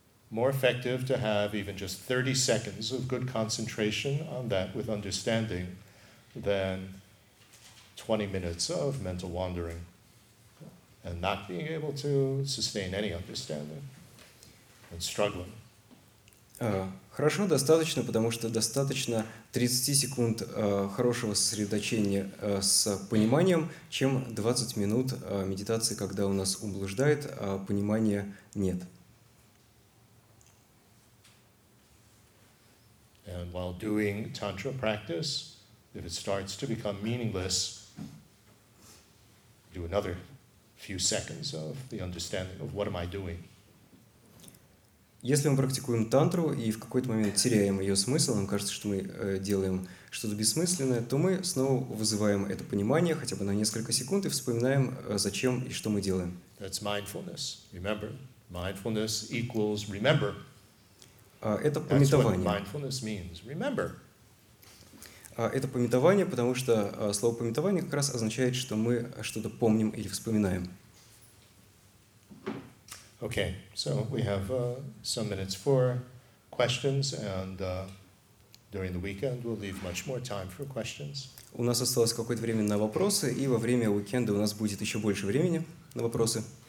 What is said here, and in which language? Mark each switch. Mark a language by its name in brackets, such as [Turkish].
[English] more effective to have even just 30 seconds of good concentration on that with understanding than 20 minutes of mental wandering and not being able to sustain any understanding and struggling. [Russian] Хорошо, достаточно, потому что достаточно 30 секунд хорошего сосредоточения с пониманием, чем 20 минут медитации, когда у нас ум блуждает, а понимания нет. [English] And while doing tantra practice, if it starts to become meaningless, do another few seconds of the understanding of what am I doing. [Russian] Если мы практикуем тантру и в какой-то момент теряем ее смысл, нам кажется, что мы делаем что-то бессмысленное, то мы снова вызываем это понимание хотя бы на несколько секунд и вспоминаем, зачем и что мы делаем. [English] That's mindfulness. Remember, mindfulness equals remember. [Russian] Это памятование. [English] That's what mindfulness means. Remember. [Russian] Это памятование, потому что слово памятование как раз означает, что мы что-то помним или вспоминаем. [English] Okay, so we have some minutes for questions, and during the weekend we'll leave much more time for questions. [Russian] У нас осталось какое-то время на вопросы, и во время уикенда у нас будет еще больше времени на вопросы.